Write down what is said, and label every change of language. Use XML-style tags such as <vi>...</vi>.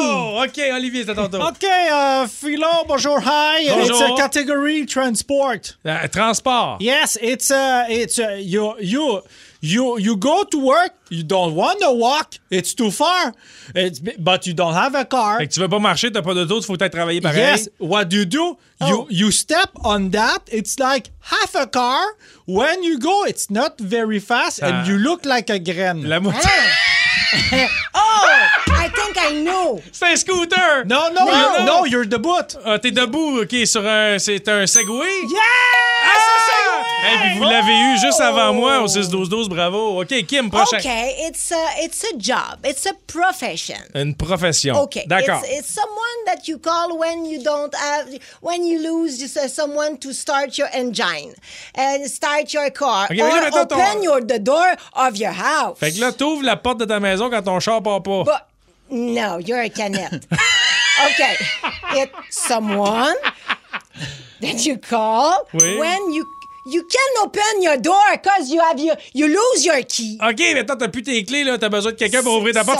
<fr>Oh, OK, Olivier, c'est à ton tour. OK, Philo, bonjour, hi. Bonjour.</fr> <en>It's a category transport. Transport. Yes, you go to work, you don't want to walk, it's too far, but you don't have a car.</en> <fr>Fait que tu veux pas marcher, t'as pas d'auto, il faut peut-être travailler pareil.</fr> <en>Yes, what do you do? You step on that, it's like half a car. When you go, it's not very fast, and you look like a grain.</en> <fr>La moutarde.</fr> <en>Oh! I think I know.</en> <fr>C'est un scooter.</fr> <en>No, you're</en> <fr>debout. Ah, t'es debout, OK, sur c'est un Segway.</fr> <en>Yeah!</en> <fr>Ah, c'est un Segway! Hey, vous l'avez eu juste avant moi au 6-12-12, bravo. OK, Kim, prochain.</fr> <en>OK, it's a job. It's a profession.</en> <fr>Une profession. OK. D'accord.</fr> <en>It's someone that you call when you don't have, when you lose someone to start your engine and start your car. Okay, or</en> <fr>là, mais attends,</fr> <en>open the door of your house.</en> <fr>Fait que là, t'ouvres la porte de ta maison quand ton char part pas.</fr> <en>No, you're a</en> <fr>canette.</fr> <en>Okay. It's someone that you call when you can open your door because you lose your key.</en> <fr>OK, mais toi, t'as plus tes clés, là. T'as besoin de quelqu'un pour ouvrir ta porte.</fr>